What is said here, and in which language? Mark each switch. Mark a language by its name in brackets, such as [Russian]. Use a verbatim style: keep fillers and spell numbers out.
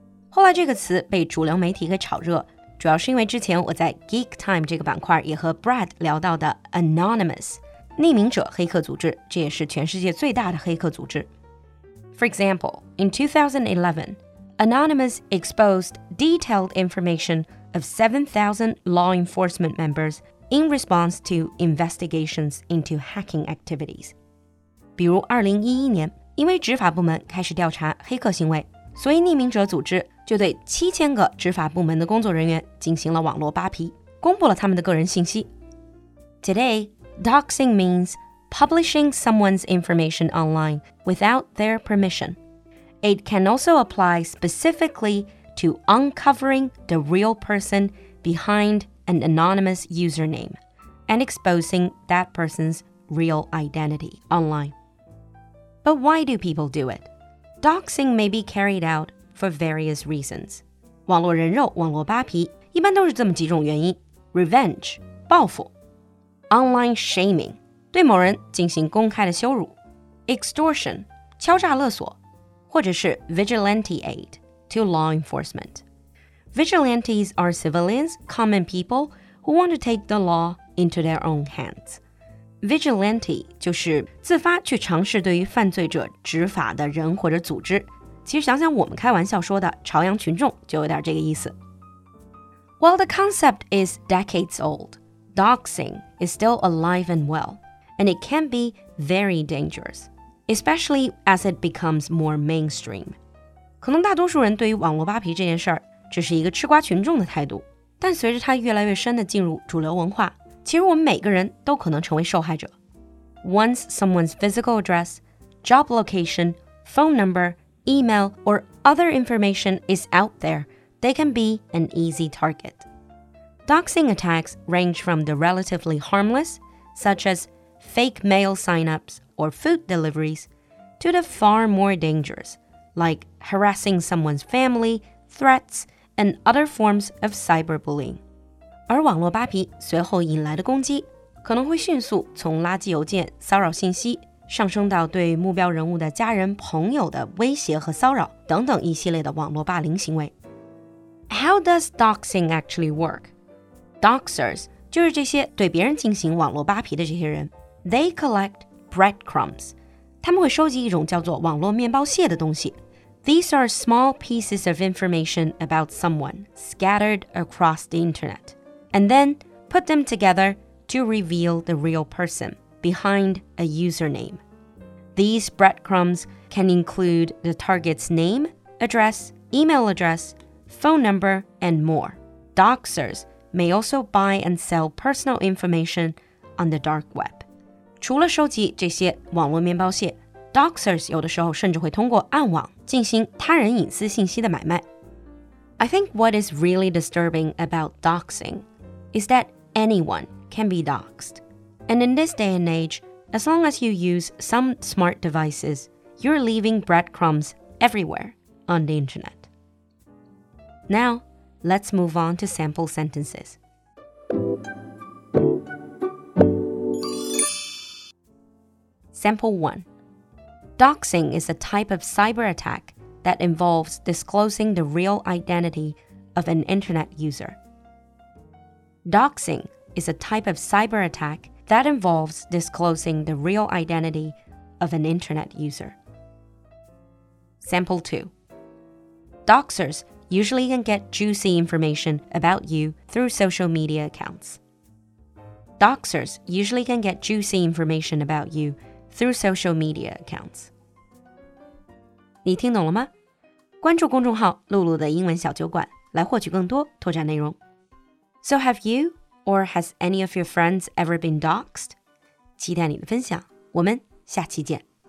[Chinese] 后来这个词被主流媒体给炒热，主要是因为之前我在 Geek Time 这个板块也和 Brad 聊到的 Anonymous,匿名者黑客组织，这也是全世界最大的黑客组织。 [English] For example, in two thousand eleven, Anonymous exposed detailed information of seven thousand law enforcement members in response to investigations into hacking activities. [Chinese] 比如二零一一年，因为执法部门开始调查黑客行为，所以匿名者组织就对七千个执法部门的工作人员进行了网络扒皮，公布了他们的个人信息。 [English] Today,Doxing means publishing someone's information online without their permission. It can also apply specifically to uncovering the real person behind an anonymous username and exposing that person's real identity online. But why do people do it? Doxing may be carried out for various reasons. [Chinese] 网络人肉、网络扒皮一般都是这么几种原因 ：revenge 报复。 Online shaming, 对某人进行公开的羞辱 Extortion, 敲诈勒索或者是 [English] vigilante aid to law enforcement. Vigilantes are civilians, common people, who want to take the law into their own hands. [Chinese] Vigilante 就是自发去尝试对于犯罪者执法的人或者组织。其实想想我们开玩笑说的朝阳群众就有点这个意思。 [English] While the concept is decades old,Doxing is still alive and well, and it can be very dangerous, especially as it becomes more mainstream. [Chinese] 可能大多数人对于网络扒皮这件事儿只是一个吃瓜群众的态度，但随着它越来越深地进入主流文化，其实我们每个人都可能成为受害者。 [English] Once someone's physical address, job location, phone number, email, or other information is out there, they can be an easy target. Doxing attacks range from the relatively harmless, such as fake mail signups or food deliveries, to the far more dangerous, like harassing someone's family, threats, and other forms of cyberbullying. [Chinese] 而网络扒皮随后引来的攻击可能会迅速从垃圾邮件、骚扰信息上升到对目标人物的家人、朋友的威胁和骚扰等等一系列的网络霸凌行为。 [English] How does doxing actually work? [Chinese] Doxers 就是这些对别人进行网络扒皮的这些人。 [English] They collect breadcrumbs. [Chinese] 他们会收集一种叫做网络面包屑的东西。 [English] These are small pieces of information about someone scattered across the internet, and then put them together to reveal the real person behind a username. These breadcrumbs can include the target's name, address, email address, phone number, and more. Doxers may also buy and sell personal information on the dark web. [Chinese] 除了收集这些网络面包屑， Doxers 有的时候甚至会通过暗网进行他人隐私信息的买卖。 [English] I think what is really disturbing about doxing is that anyone can be doxed. And in this day and age, as long as you use some smart devices, you're leaving breadcrumbs everywhere on the internet. Now, let's move on to sample sentences. Sample one. Doxing is a type of cyber attack that involves disclosing the real identity of an internet user. Doxing is a type of cyber attack that involves disclosing the real identity of an internet user. Sample two. Doxers usually can get juicy information about you through social media accounts. Doxers usually can get juicy information about you through social media accounts. [Chinese] 你听懂了吗？关注公众号露露的英文小酒馆来获取更多拓展内容。 [English] So have you or has any of your friends ever been doxed? [Chinese] 期待你的分享，我们下期见。